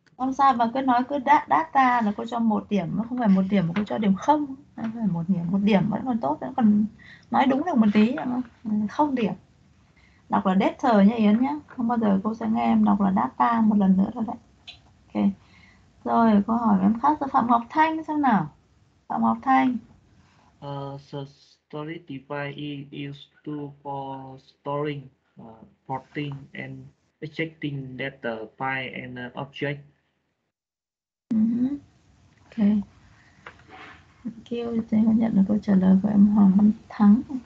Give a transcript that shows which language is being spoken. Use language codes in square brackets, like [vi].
[vi] Không sao mà cứ nói cứ data là cô cho một điểm, nó không phải một điểm mà cô cho điểm không, nó phải một điểm vẫn còn tốt, vẫn còn nói đúng được một tí, không điểm. Đọc là data nha Yến nhé, không bao giờ cô sẽ nghe em đọc là data một lần nữa thôi đấy. Ok, rồi cô hỏi em khác cho Phạm Ngọc Thanh xem nào. Phạm Ngọc Thanh. [en] The storage device is used for storing, porting and extracting data file and object. Ok. Thank you. [vi] Thế có nhận được câu trả lời của em Hoàng Văn Thắng.